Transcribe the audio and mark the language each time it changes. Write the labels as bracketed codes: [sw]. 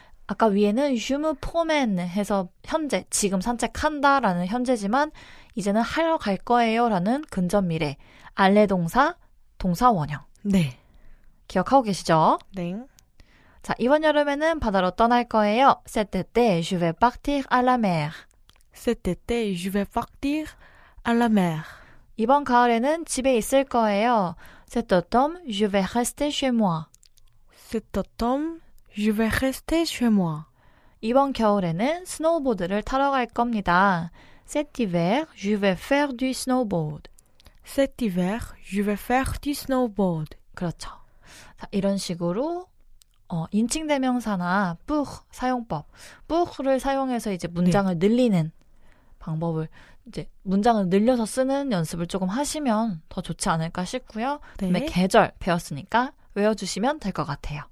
[ko] 아까 위에는 [fr] 슈무 포멘 [ko] 해서 현재, 지금 산책한다 라는 현재지만 이제는 하러 갈 거예요 라는 근접 미래. 알레 동사, 동사 원형. 네. 기억하고 계시죠? 넹. 자, 이번 여름에는 바다로 떠날 거예요. [fr] Cet été, je vais partir à la mer. Cet été, je vais partir à la mer. [ko] 이번 가을에는 집에 있을 거예요. [fr] Cet automne, je vais rester chez moi. Cet automne, je vais rester chez moi. [ko] 이번 겨울에는 스노우보드를 타러 갈 겁니다. [fr] Cet hiver, je vais faire du snowboard. Cet hiver, je vais faire du snowboard. [ko] 그렇죠. 자, 이런 식으로 인칭 대명사나 뿌흐 사용법, 뿌흐를 사용해서 이제 문장을 늘리는 방법을 이제 문장을 늘려서 쓰는 연습을 조금 하시면 더 좋지 않을까 싶고요. 봄에 네. 계절 배웠으니까 외워주시면 될것 같아요.